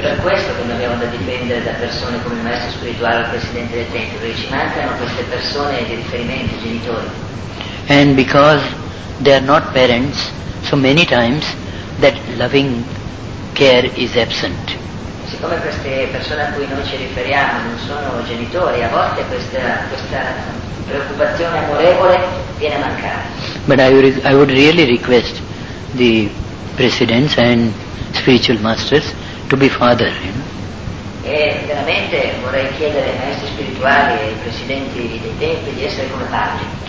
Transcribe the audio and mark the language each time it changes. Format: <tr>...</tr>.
<it>Per questo che noi abbiamo da dipendere da persone come il maestro spirituale o il presidente del tempio, perché ci mancano queste persone di riferimento, genitori.</it> <en>And because they are not parents, so many times that loving care is absent.</en> <it>Siccome queste persone a cui noi ci riferiamo non sono genitori, a volte questa preoccupazione amorevole viene a mancare.</it> <en>But I would really request the presidents and spiritual masters to be father, you know.</en> <it>E veramente vorrei chiedere ai maestri spirituali e ai presidenti dei tempi di essere come padri.</it>